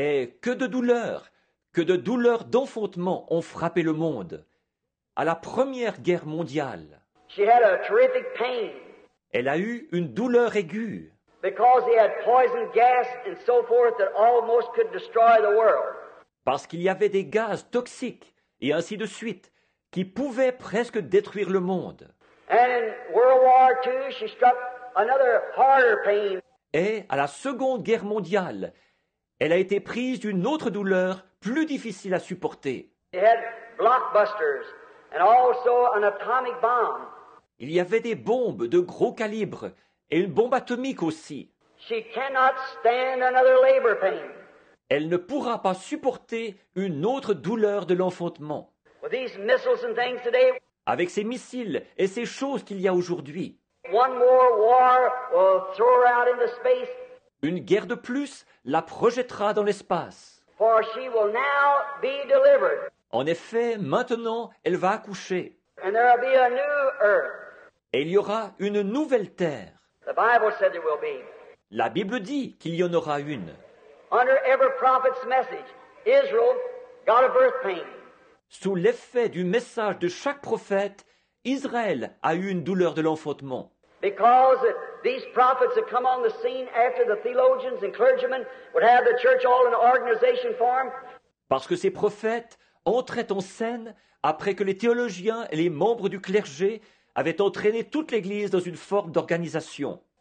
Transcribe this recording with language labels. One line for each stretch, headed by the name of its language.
French: Et que de douleurs d'enfantement ont frappé le monde à la Première Guerre mondiale.
English: She had a terrific pain.
French: Elle a eu une douleur aiguë.
English: Because he had poison gas and so forth that almost could destroy the world.
French: Parce qu'il y avait des gaz toxiques et ainsi de suite. Qui pouvait presque détruire le monde.
English: And in World War II, she struck another harder pain.
French: Et à la Seconde Guerre mondiale, elle a été prise d'une autre douleur plus difficile à supporter.
English: It had blockbusters and also an atomic bomb.
French: Il y avait des bombes de gros calibre et une bombe atomique aussi.
English: She cannot stand another labor pain.
French: Elle ne pourra pas supporter une autre douleur de l'enfantement.
English: With these missiles and things today,
French: avec ces missiles et ces choses qu'il y a aujourd'hui,
English: one more war will throw her out into space.
French: Une guerre de plus la projettera dans l'espace.
English: For she will now be delivered.
French: En effet, maintenant, elle va accoucher.
English: And there will be a new earth.
French: Et il y aura une nouvelle terre.
English: The Bible said there will be.
French: La Bible dit qu'il y en aura une.
English: Under every prophet's message, Israel got a birth pain.
French: Sous l'effet du message de chaque prophète, Israël a eu une douleur de l'enfantement.
English: Because these prophets had come on the scene after the theologians and clergymen would have the church all in organization form.
French: Parce que ces prophètes entraient en scène après que les théologiens et les membres du clergé avaient entraîné toute l'Église dans une forme d'organisation.